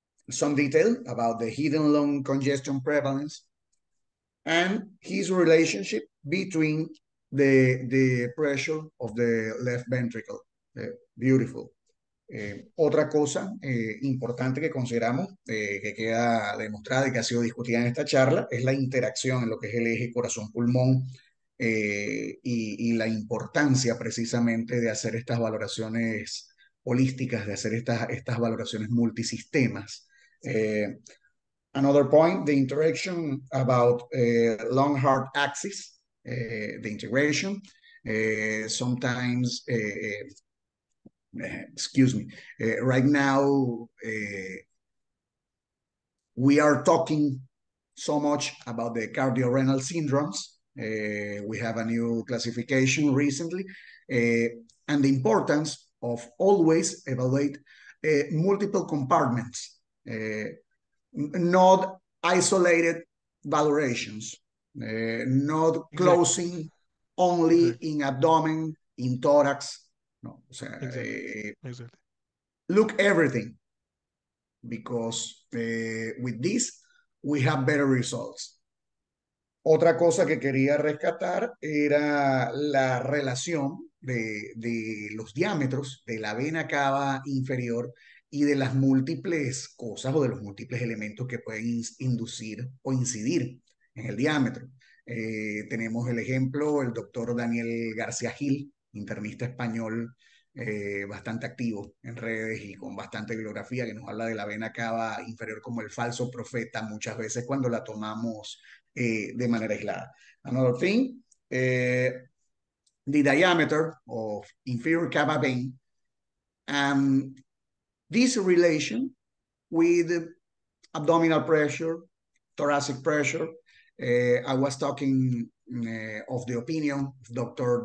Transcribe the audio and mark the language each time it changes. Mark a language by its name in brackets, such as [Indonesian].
[English] some detail about the hidden lung congestion prevalence and his relationship between the pressure of the left ventricle. Beautiful. [Spanish] Otra cosa importante que consideramos, que queda demostrada y que ha sido discutida en esta charla, es la interacción en lo que es el eje corazón-pulmón y la importancia precisamente de hacer estas valoraciones holísticas, de hacer estas valoraciones multisistemas. [English] Another point, the interaction about long heart axis, the integration, sometimes, excuse me, right now we are talking so much about the cardiorenal syndromes. We have a new classification recently, and the importance of always evaluate multiple compartments, not isolated valorations, not closing exactly. Only exactly. In abdomen, in thorax. [Spanish] No, o sea, [English] exactly. Look everything, because with this we have better results. [Spanish] Otra cosa que quería rescatar era la relación de los diámetros de la vena cava inferior y de las múltiples cosas o de los múltiples elementos que pueden inducir o incidir en el diámetro. Tenemos el ejemplo, el doctor Daniel García Gil, internista español, bastante activo en redes y con bastante bibliografía, que nos habla de la vena cava inferior como el falso profeta muchas veces cuando la tomamos de manera aislada. [English] Another thing, the diameter of inferior cava vein, and this relation with abdominal pressure, thoracic pressure. I was talking of the opinion of Dr.